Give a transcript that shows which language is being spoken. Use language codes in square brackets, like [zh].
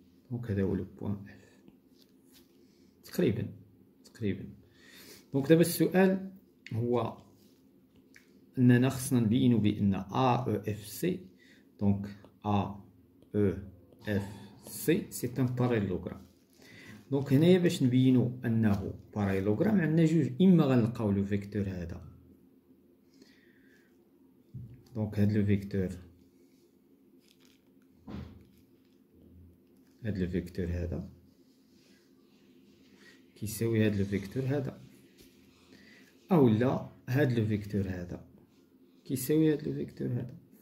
[ar] دونك هذا هو لو بوان اف تقريبا تقريبا. دونك دابا السؤال هو اننا خصنا نبينو بان ا او اف سي. [fr] دونك ا E, F, C, c'est un parallélogramme. [ar] Donc, هنا باش نبينو أنه parallélogramme، عندنا جوج. إما غنلقاو لو فيكتور هذا، دونك هاد لو فيكتور، هاد لو فيكتور هذا كيساوي هاد لو فيكتور هذا، أو لا هاد لو فيكتور هذا كيساوي هاد لو فيكتور هذا.